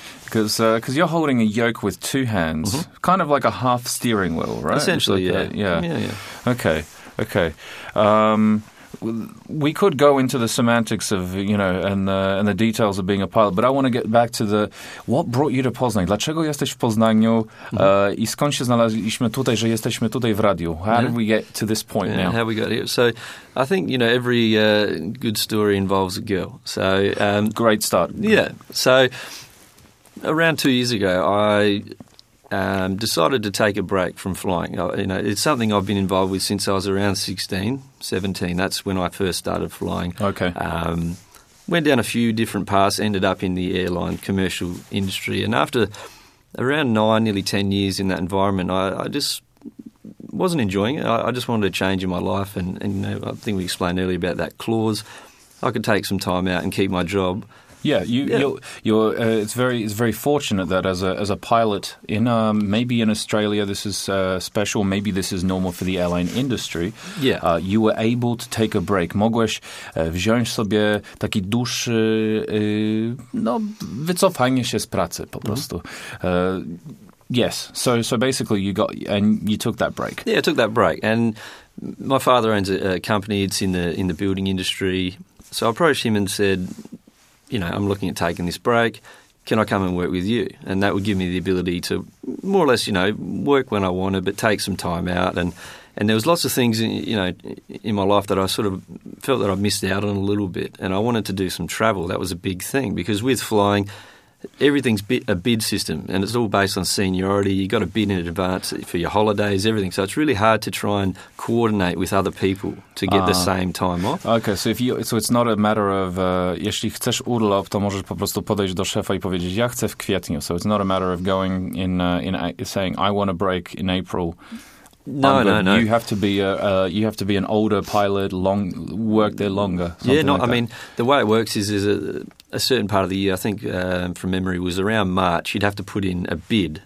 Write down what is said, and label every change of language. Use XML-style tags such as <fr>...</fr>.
<en>Because you're holding a yoke with two hands, kind of like a half steering wheel, right? Essentially, like yeah. Okay. We could go into the semantics of, you know, and the details of being a pilot, but I want to get back to what brought you to Poznań?</en> <pl>Dlaczego jesteś w Poznaniu? I skąd się znaleźliśmy tutaj, że jesteśmy tutaj w radiu?</pl> <en>How did we get to this point now? How we got here? So I think, you know, every good story involves a girl. So great start. Yeah. So around 2 years ago, I decided to take a break from flying. You know, it's something I've been involved with since I was around 16, 17. That's when I first started flying. Okay. Went down a few different paths, ended up in the airline commercial industry. And after around 9, nearly 10 years in that environment, I just wasn't enjoying it. I just wanted a change in my life. And you know, I think we explained earlier about that clause. I could take some time out and keep my job. It's very fortunate that as a pilot in maybe in Australia this is special, maybe this is normal for the airline industry. Yeah. You were able to take a break.</en> <pl>Mogłeś wziąć sobie taki dłuższy wycofanie się z pracy po prostu.</pl> <en>Yes. So basically you took that break. Yeah, I took that break. And my father owns a company, it's in the building industry. So I approached him and said, you know, I'm looking at taking this break. Can I come and work with you? And that would give me the ability to more or less, you know, work when I wanted, but take some time out. And there was lots of things, you know, in my life that I sort of felt that I missed out on a little bit. And I wanted to do some travel. That was a big thing because with flying, everything's a bid system and it's all based on seniority. You've got to bid in advance for your holidays, everything. So it's really hard to try and coordinate with other people to get the same time off. Okay, so it's not a matter of,</en> <pl>jeśli chcesz urlop, to możesz po prostu podejść do szefa I powiedzieć, ja chcę w kwietniu.</pl> <en>So it's not a matter of going in saying, I want a break in April. No. You have to be an older pilot, work there longer. Yeah, no, like I mean, the way it works is there's a certain part of the year, I think from memory, was around March, you'd have to put in a bid.</en>